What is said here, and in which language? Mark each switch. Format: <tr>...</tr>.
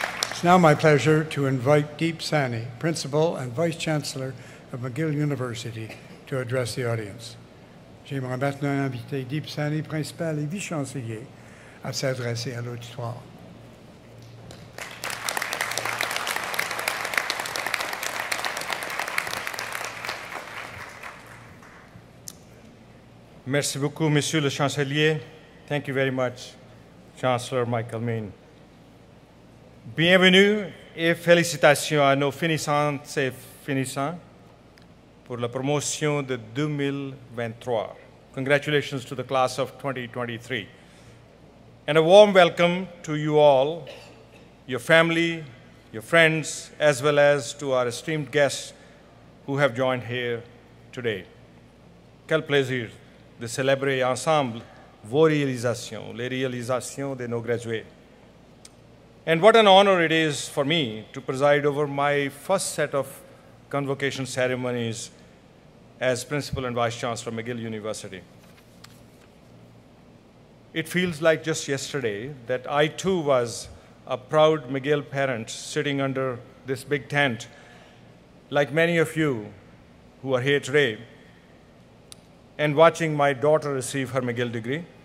<en>It's now my pleasure to invite Deep Sani, Principal and Vice Chancellor of McGill University, to address the audience.</en> <fr>J'aimerais maintenant inviter Deep Sani, Principal et Vice-Chancelier, à s'adresser à l'auditoire. Merci beaucoup, Monsieur le Chancelier.</fr> <en>Thank you very much, Chancellor Michael Mean.</en> <fr>Bienvenue et félicitations à nos finissantes et finissants pour la promotion de 2023.</fr> <en>Congratulations to the class of 2023. And a warm welcome to you all, your family, your friends, as well as to our esteemed guests who have joined here today.</en> <fr>Quel plaisir de célébrer ensemble vos réalisations, les réalisations de nos gradués.</fr> <en>And what an honor it is for me to preside over my first set of convocation ceremonies as Principal and Vice Chancellor of McGill University. It feels like just yesterday that I too was a proud McGill parent sitting under this big tent, like many of you who are here today, and watching my daughter receive her McGill degree.</en>